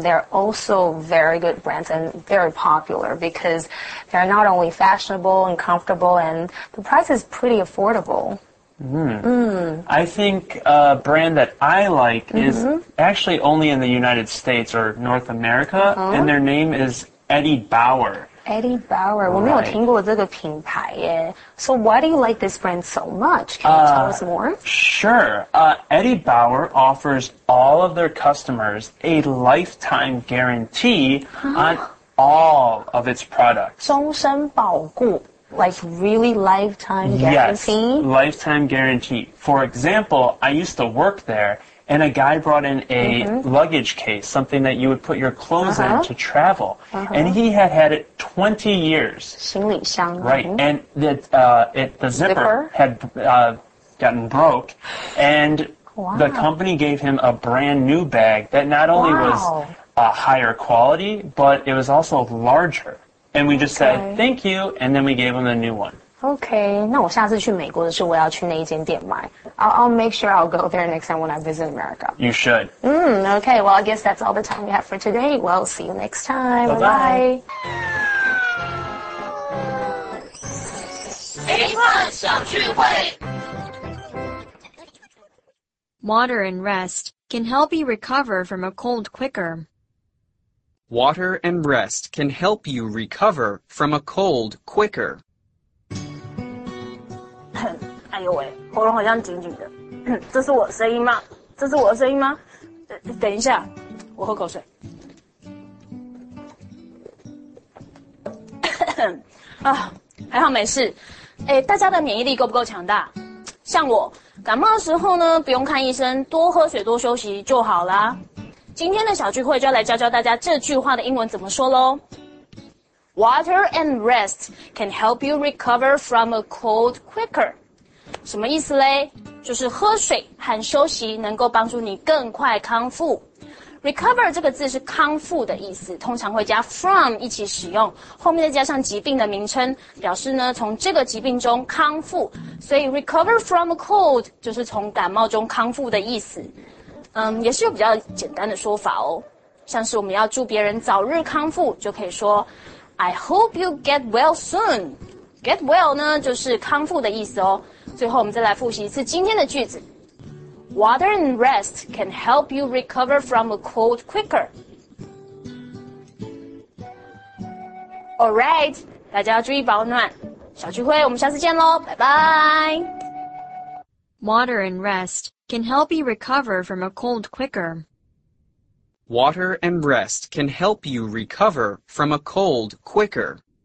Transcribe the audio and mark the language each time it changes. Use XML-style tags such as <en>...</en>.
<en>They're also very good brands and very popular because they're not only fashionable and comfortable and the price is pretty affordable. I think a brand that I like is actually only in the United States or North America and their name is Eddie Bauer. Eddie Bauer.</en> <zh>我没有听过这个品牌耶。</zh> <en>So why do you like this brand so much? Can you tell us more? Sure. Eddie Bauer offers all of their customers a lifetime guarantee on all of its products.</en> <zh>终身保固。</zh> <en>Like really lifetime guarantee? Yes, lifetime guarantee. For example, I used to work there and a guy brought in a luggage case, something that you would put your clothes in to travel. And he had had it 20 years.</en> <zh>行李箱.</zh> <en>Right, and the zipper had gotten broke. And the company gave him a brand new bag that not only was a higher quality, but it was also larger. And we just said, thank you, and then we gave him a new one.</en> <zh>Okay, 那我下次去美国的时候，我要去那一间店买。</zh> <en>I'll make sure I'll go there next time when I visit America. You should. Okay, well, I guess that's all the time we have for today. Well, see you next time. Bye-bye. Water and rest can help you recover from a cold quicker. Water and rest can help you recover from a cold quicker.</en> <zh>哎呦喂，喉咙好像紧紧的。这是我的声音吗？这是我的声音吗？等一下，我喝口水。啊，还好没事。哎，大家的免疫力够不够强大？像我，感冒的时候呢，不用看医生，多喝水，多休息就好啦。今天的小聚会就要来教教大家这句话的英文怎么说咯。</zh> <en>Water and rest can help you recover from a cold quicker.</en> <zh>什么意思咧？就是喝水和休息能够帮助你更快康复。 Recover 这个字是康复的意思，通常会加 from 一起使用，后面再加上疾病的名称，表示呢从这个疾病中康复。所以</zh> <en>recover from a cold</en> <zh>就是从感冒中康复的意思。也是有比较简单的说法哦，像是我们要祝别人早日康复，就可以说</zh> <en>I hope you get well soon.</en> <zh>Get well 呢，就是康复的意思哦。最后我们再来复习一次今天的句子。</zh> <en>Water and rest can help you recover from a cold quicker.</en> <zh>Alright, 大家要注意保暖。小聚会我们下次见咯，拜拜。</zh> <en>Water and rest can help you recover from a cold quicker. Water and rest can help you recover from a cold quicker.</en>